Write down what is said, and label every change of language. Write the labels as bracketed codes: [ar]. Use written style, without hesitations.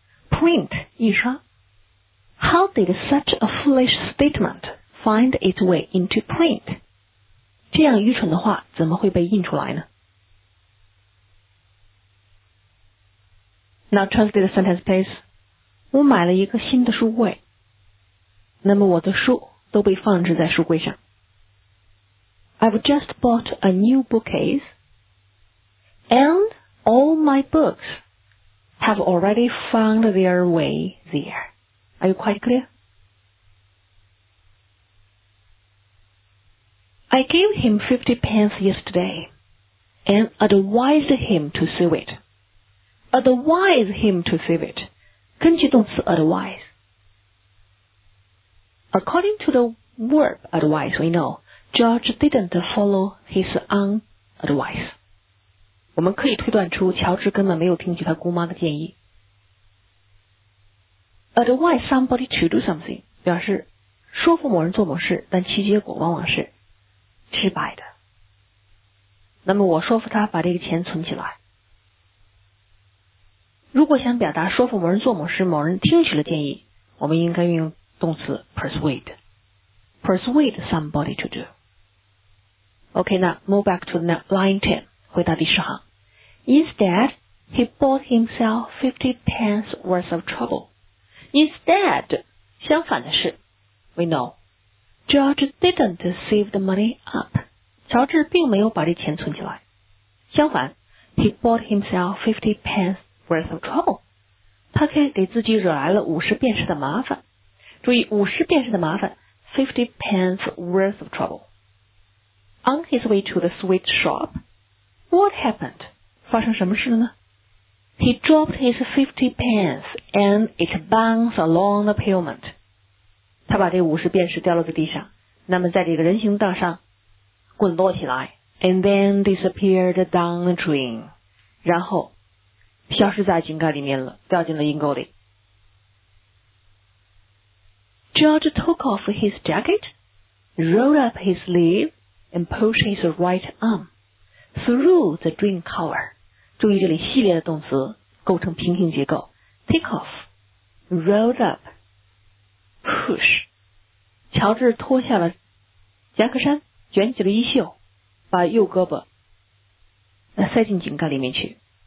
[en] Print, 印刷。How did such a foolish statement find its way into print? [zh] 这样愚蠢的话怎么会被印出来呢？ [en] Now translate the sentence, please. [zh] 我买了一个新的书柜，那么我的书都被放置在书柜上。 [en] I've just bought a new bookcase, and all my books have already found their way there. Are you quite clear? I gave him 50 pence yesterday, and advised him to save it. Advise him to save it. [zh] 根据动词 [en] advise. According to the verb advise, we know George didn't follow his own advice. [zh] 我们可以推断出乔治根本没有听取他姑妈的建议。 [en] Advise somebody to do something [zh] 表示说服某人做某事，但其结果往往是失败的。那么我说服他把这个钱存起来。如果想表达说服某人做某事，某人听取了建议，我们应该运用动词 persuade. Persuade somebody to do. OK, now move back to line 10. 回到第十行。 [en] Instead, he bought himself 50 pence worth of trouble. Instead, [zh] 相反的是 [en] we know, George didn't save the money up. [zh] 乔治并没有把这钱存起来。相反 [en] he bought himself 50 penceWorth of trouble. [zh] 他可以给自己惹来了50便士的麻烦。注意50便士的麻烦 , [en] 50 pence worth of trouble. On his way to the sweet shop, what happened? [zh] 发生什么事了呢? [en] He dropped his 50 pence and it bounced along the pavement. [zh] 他把这50便士掉落在地上，那么在这个人行道上滚落起来。 [en] And then disappeared down the drain. [zh] 然后消失在井盖里面了，掉进了阴沟里。 [en] George took off his jacket, rolled up his sleeve, and pushed his right arm through the drain cover. [zh] 注意这里系列的动词构成平行结构。 [en] Take off, rolled up, push. [zh] 乔治脱下了夹克衫，卷起了衣袖，把右胳膊塞进井盖里面去。